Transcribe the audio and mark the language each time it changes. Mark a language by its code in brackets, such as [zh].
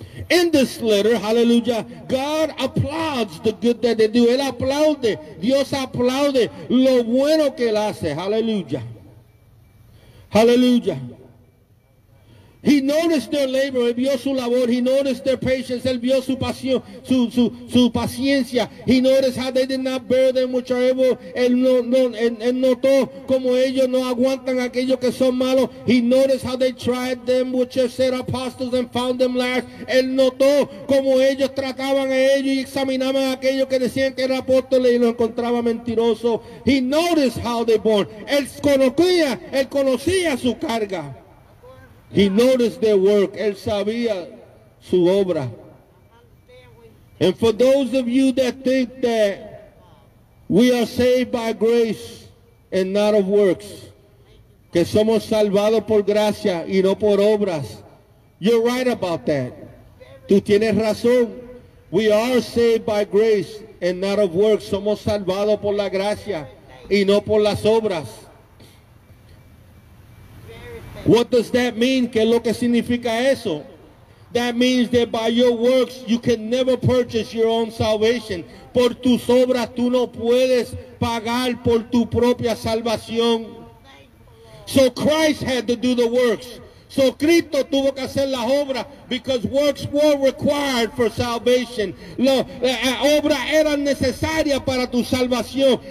[en] In this letter, hallelujah, God applauds the good that they do. [es] Él aplaude, Dios aplaude lo bueno que él hace. [en] Hallelujah. Hallelujah. He noticed their labor, [es] él vio su labor. [en] He noticed their patience, [es] él vio su pasión, su paciencia. [en] He noticed how they did not bear them which are evil. [es] Él notó como ellos no aguantan aquellos que son malos. [en] He noticed how they tried them which are set apostles and found them last. [es] Él notó como ellos trataban a ellos y examinaban a aquellos que decían que eran apóstoles y los encontraban mentirosos. [en] He noticed how they born. [es] Él conocía su carga. [en] He noticed their work. [es] Él sabía su obra. [en] And for those of you that think that we are saved by grace and not of works, [es] que somos salvados por gracia y no por obras, [en] you're right about that. [es] Tú tienes razón. [en] We are saved by grace and not of works. [es] Somos salvados por la gracia y no por las obras. [en] What does that mean? [es] ¿Qué es lo que significa eso? [en] That means that by your works you can never purchase your own salvation. [es] Por tus obras tú no puedes pagar por tu propia salvación. [en] So Christ had to do the works. So [es] Cristo tuvo que hacer las obras [en] because works were required for salvation. [es] La obra era necesaria para tu salvación.